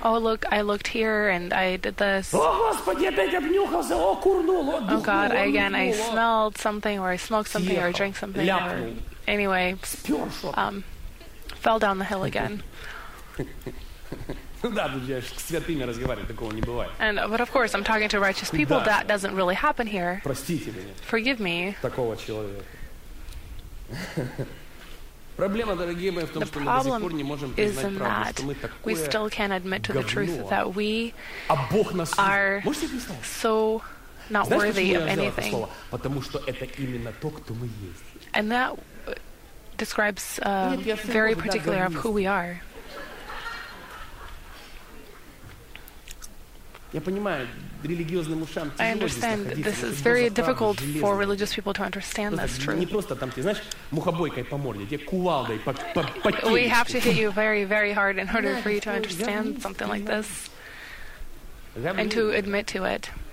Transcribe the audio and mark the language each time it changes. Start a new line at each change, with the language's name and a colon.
English: Oh, look, I looked here and I did this.
Russian: О, Господи, опять обнюхался. О, курнул.
English: Oh, God, again, I smelled something or I smoked something or drank something. Or, anyway, fell down the hill again.
Russian: Да, друзья, с святыми разговаривать такого не бывает.
English: And but of course, I'm talking to righteous people. Да. That doesn't really happen here.
Russian: Простите меня.
English: Forgive me.
Russian: Такого человека. Проблема, дорогие мои, в том, что мы до сих пор не можем признать правду, что мы такое.
English: We still can't admit to
Russian: говно.
English: The truth that we are so not worthy of anything.
Russian: Потому что это именно то, кто мы есть.
English: And that describes very particular of who we are.
Russian: Я понимаю, религиозным ушам тяжело.
English: I understand this is very difficult for religious people to understand this truth.
Russian: Не просто там, ты знаешь, мухобойкой по морде, тебе кувалдой по теле.
English: We have to hit you very, very hard in order for you to understand something like this and to admit to it.